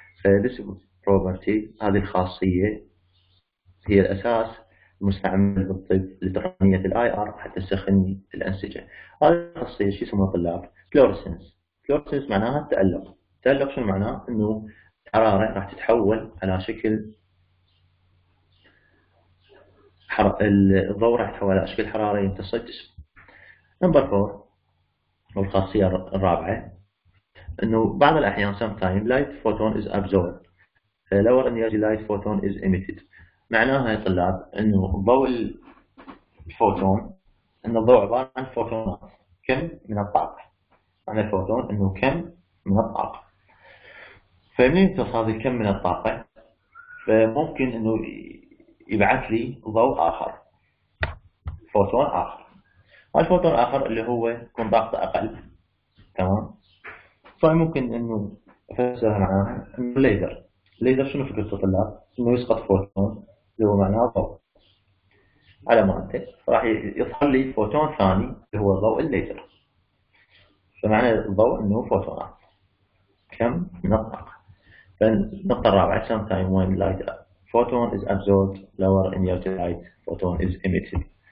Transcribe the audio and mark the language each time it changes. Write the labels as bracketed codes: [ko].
[ar] فهذه بروبرتي، هذه الخاصية هي الاساس المستعمل بالطب لتقنية الاي ار حتى تسخني الانسجة. هذه الخاصية شو يسموها طلاب؟ فلورسنس. فلورسنس معناها التألق. التألق شو معناها؟ انه الحرارة راح تتحول على شكل الضوء راح يتحول على شكل حرارة يمتص الجسم. نمبر 4 والخاصية الرابعة انه بعض الاحيان [en] sometimes light photon is absorbed lower energy light photon is emitted. [ar] معناها يا طلاب انه ضوء الفوتون، انه الضوء عبارة عن فوتونات، كم من الطاقة عن الفوتون انه كم من الطاقة. فمنين يمتص هذا الكم من الطاقة؟ فممكن انه يبعث لي ضوء اخر، فوتون اخر. الفوتون الاخر اللي هو يكون ضغطه اقل، تمام؟ فممكن انه افسرها معناها انه ليزر. ليزر شنو فكرته طلاب؟ انه يسقط فوتون اللي هو معناها ضوء على مادته، راح يظهر لي فوتون ثاني اللي هو ضوء الليزر. فمعنى الضوء انه فوتونات كم من الطاقه. فالنقطه الرابعه [en] sometimes when light photon is absorbed lower energy light photon is emitted.